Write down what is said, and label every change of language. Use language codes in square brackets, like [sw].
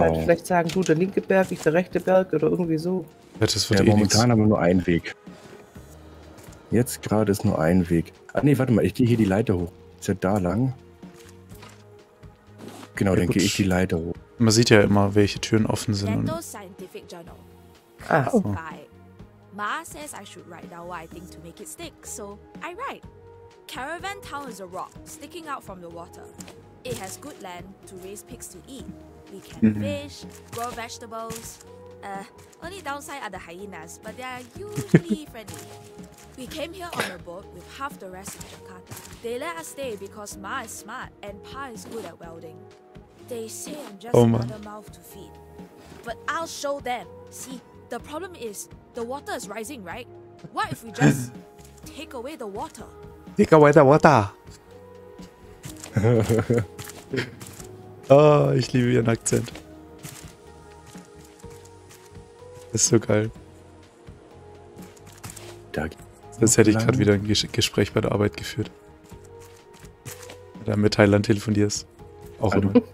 [de] Halt vielleicht sagen, du der linke Berg, ich der rechte Berg oder irgendwie so. Ja, das wird ja, momentan nichts. Haben wir nur einen Weg. Jetzt gerade ist nur ein Weg. Ah nee, warte mal, ich gehe hier die Leiter hoch. Ist ja da lang. Genau, ja, dann gehe ich die Leiter hoch. Man sieht ja immer, welche Türen offen sind. Und [en] Ma says I should write down what I think to make it stick, so I write. Caravan Town is a rock sticking out from the water. It has good land to raise pigs to eat. We can fish, grow vegetables. Only downside are the hyenas, but they are usually friendly. We came here on a boat with half the rest of Jakarta. They let us stay because Ma is smart and Pa is good at welding. They say I'm just another mouth to feed. But I'll show them. See, the problem is the water is rising, right? What if we just take away the water? Take away the water. [de] Oh, ich liebe ihren Akzent. Ist so geil. Das hätte ich gerade wieder ein Gespräch bei der Arbeit geführt. Wenn du mit Thailand telefonierst. Auch immer.